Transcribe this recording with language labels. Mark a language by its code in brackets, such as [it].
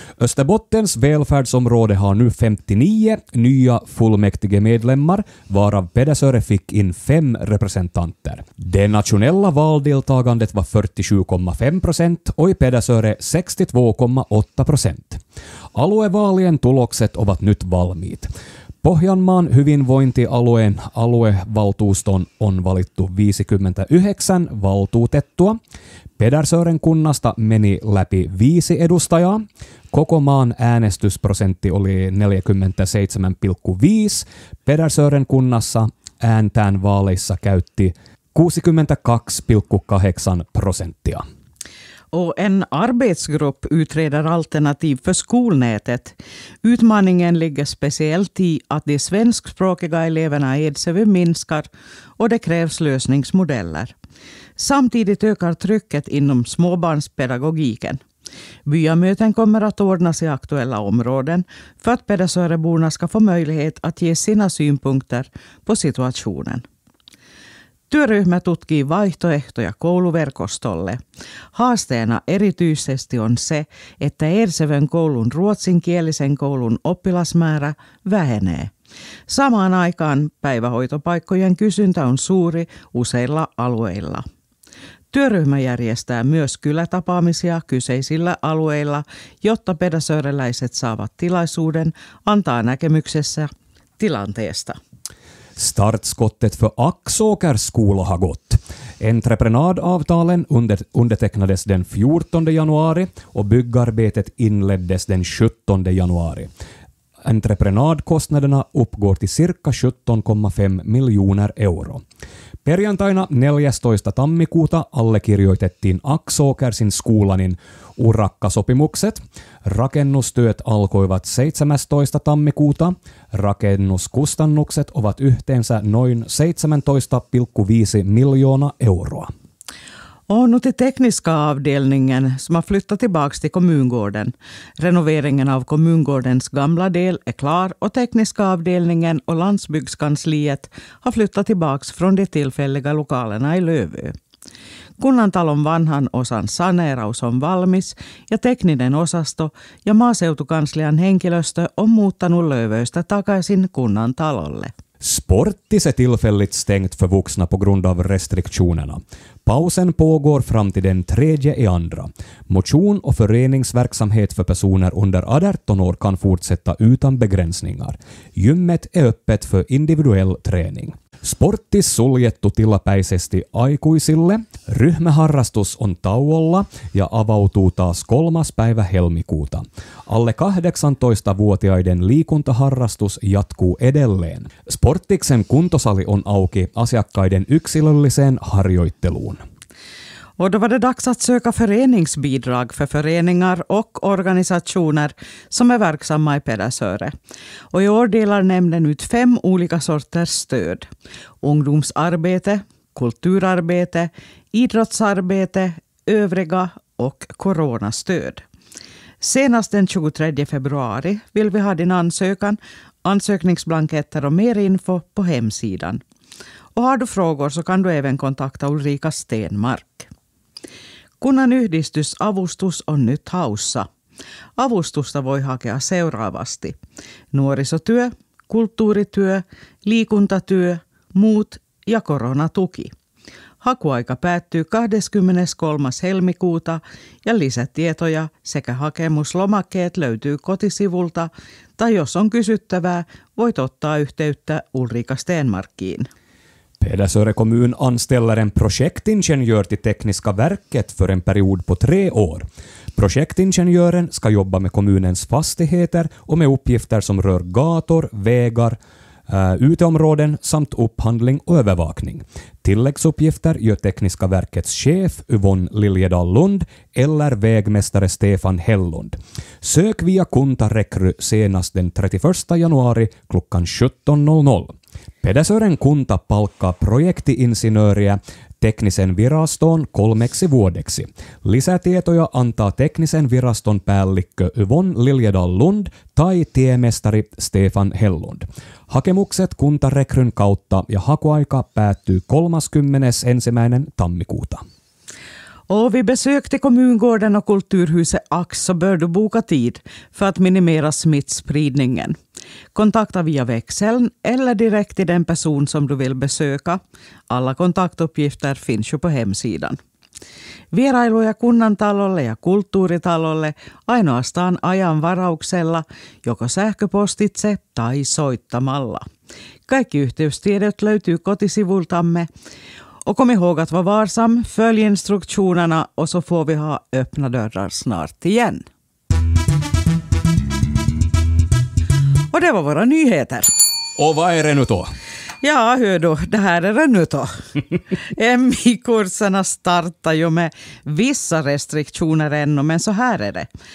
[sv] Österbottens välfärdsområde har nu 59 nya fullmäktige medlemmar, varav Pedersöre fick in 5 representanter. Det nationella valdeltagandet var 47,5% och i Pedersöre 62,8%. [fi] Aluevaalien tulokset ovat nyt valmiit. Pohjanmaan hyvinvointialueen aluevaltuuston on valittu 59 valtuutettua. Pedersören kunnasta meni läpi 5 edustajaa. Koko maan äänestysprosentti oli 47,5. Pedersören kunnassa ääntään vaaleissa käytti 62,8%. [sv] Och en arbetsgrupp utreder alternativ för skolnätet. Utmaningen ligger speciellt i att de svenskspråkiga eleverna i Edsevö minskar och det krävs lösningsmodeller. Samtidigt ökar trycket inom småbarnspedagogiken. Byamöten kommer att ordnas i aktuella områden för att Pedersöreborna ska få möjlighet att ge sina synpunkter på situationen. [fi] Työryhmä tutkii vaihtoehtoja kouluverkostolle. Haasteena erityisesti on se, että Edsevön koulun ruotsinkielisen koulun oppilasmäärä vähenee. Samaan aikaan päivähoitopaikkojen kysyntä on suuri useilla alueilla. Työryhmä järjestää myös kylätapaamisia kyseisillä alueilla, jotta pedasöreläiset saavat tilaisuuden antaa näkemyksessä tilanteesta. [sv] Startskottet för Axåkers skola har gått. Entreprenadavtalen undertecknades den 14 januari och byggarbetet inleddes den 17 januari. Entreprenadkostnaderna uppgår till cirka 17,5 miljoner euro. [fi] Perjantaina 14. tammikuuta allekirjoitettiin Axåkersin skolanin urakkasopimukset. Rakennustyöt alkoivat 17. tammikuuta. Rakennuskustannukset ovat yhteensä noin 17,5 miljoonaa euroa. [sv] Och nu till tekniska avdelningen som har flyttat tillbaka till kommungården. Renoveringen av kommungårdens gamla del är klar och tekniska avdelningen och landsbygdskansliet har flyttat tillbaka från de tillfälliga lokalerna i Lövö. [fi] Kunnantalon vanhan osan saneeraus on valmis ja tekninen osasto ja maaseutukanslian henkilöstö on muuttanut Lövöstä takaisin kunnantalolle. [sv] Sportis är tillfälligt stängt för vuxna på grund av restriktionerna. Pausen pågår fram till den 3/2. Motion och föreningsverksamhet för personer under 18 år kan fortsätta utan begränsningar. Gymmet är öppet för individuell träning. [fi] Sportis suljettu tilapäisesti aikuisille. Ryhmäharrastus on tauolla ja avautuu taas 3. helmikuuta. Alle 18-vuotiaiden liikuntaharrastus jatkuu edelleen. Sportiksen kuntosali on auki asiakkaiden yksilölliseen harjoitteluun. [sv] Och då var det dags att söka föreningsbidrag för föreningar och organisationer som är verksamma i Pedersöre. Och i år delar nämnden ut 5 olika sorters stöd. Ungdomsarbete, kulturarbete, idrottsarbete, övriga och coronastöd. Senast den 23 februari vill vi ha din ansökan, ansökningsblanketter och mer info på hemsidan. Och har du frågor så kan du även kontakta Ulrika Stenmark. [fi] Kunnan yhdistysavustus on nyt haussa. Avustusta voi hakea seuraavasti. Nuorisotyö, kulttuurityö, liikuntatyö, muut ja koronatuki. Hakuaika päättyy 23. helmikuuta ja lisätietoja sekä hakemuslomakkeet löytyy kotisivulta. Tai jos on kysyttävää, voit ottaa yhteyttä Ulrika Stenmarkkiin. [sv] Pedersöre kommun anställer en projektingenjör till Tekniska verket för en period på 3 år. Projektingenjören ska jobba med kommunens fastigheter och med uppgifter som rör gator, vägar, uteområden samt upphandling och övervakning. Tilläggsuppgifter gör Tekniska verkets chef Yvonne Liljedahl Lund eller vägmästare Stefan Hellund. Sök via Kuntarekry senast den 31 januari klockan 17.00. [fi] Pedersören kunta palkkaa projektiinsinööriä Teknisen viraston 3 vuodeksi. Lisätietoja antaa Teknisen viraston päällikkö Yvonne Liljedahl Lund tai tiemestari Stefan Hellund. Hakemukset Kuntarekryn kautta ja hakuaika päättyy 31. tammikuuta. [sv] Och vid besök till kommungården och kulturhuset Ax så bör du boka tid för att minimera smittspridningen. Kontakta via växeln eller direkt till den person som du vill besöka. Alla kontaktuppgifter finns ju på hemsidan. [fi] Vierailuja kunnantalolle ja kulttuuritalolle ainoastaan ajan varauksella, joko sähköpostitse tai soittamalla. Kaikki yhteystiedot löytyy kotisivultamme. [sv] Och kom ihåg att vara varsam, följ instruktionerna och så får vi ha öppna dörrar snart igen. Och det var våra nyheter. Och vad är det nu då? Ja, hör du, det här är det nu då. MI-kurserna startar ju med vissa restriktioner ännu, men så här är det.